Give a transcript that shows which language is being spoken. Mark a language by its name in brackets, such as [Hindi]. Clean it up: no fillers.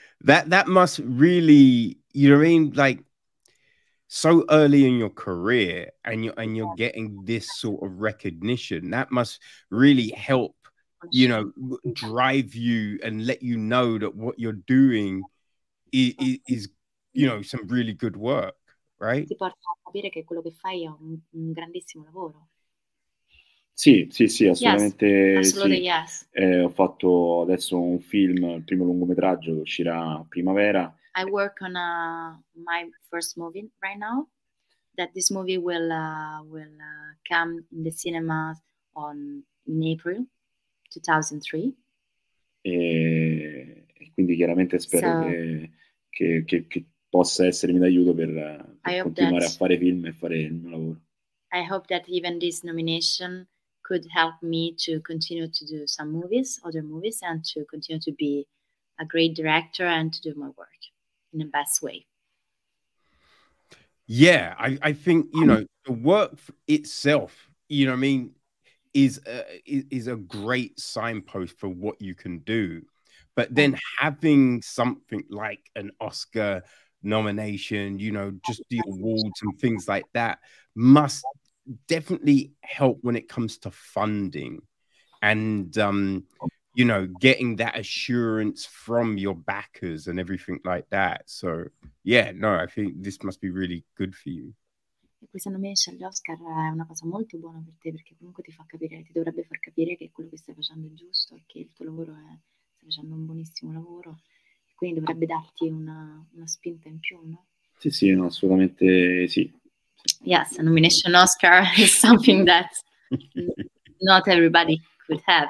[English] That must really, you know what I mean, like so early in your career and you're getting this sort of recognition, that must really help, you know, drive you and let you know that what you're doing is, you know, some really good work, right? [Italian] Ti porta a capire che quello che fai è un grandissimo lavoro. Sì, sì, sì, assolutamente. [English] Yes, absolutely, [Italian] sì. [English] Yes. [Italian] Ho fatto adesso un film, il primo lungometraggio che uscirà a primavera. [English] I work on my first movie right now, that this movie will come in the cinema in April 2003. [Italian] E quindi chiaramente spero che possa essermi d'aiuto per continuare a fare film e fare il mio lavoro. [English] I hope that even this nomination could help me to continue to do some movies, other movies, and to continue to be a great director and to do my work in the best way. Yeah, I think, you know, the work itself, you know what I mean, is a great signpost for what you can do. But then having something like an Oscar nomination, you know, just the awards and things like that must definitely help when it comes to funding and you know, getting that assurance from your backers and everything like that. So yeah, no, I think this must be really good for you. [Italian] Questa nomination agli Oscar è una cosa molto buona per te, perché comunque ti dovrebbe far capire che quello che stai facendo è giusto e che il tuo lavoro è, stai facendo un buonissimo lavoro, quindi dovrebbe darti una spinta in più, no? Sì, sì, no, assolutamente sì. [English] Yes, a nomination Oscar is something that not everybody could have.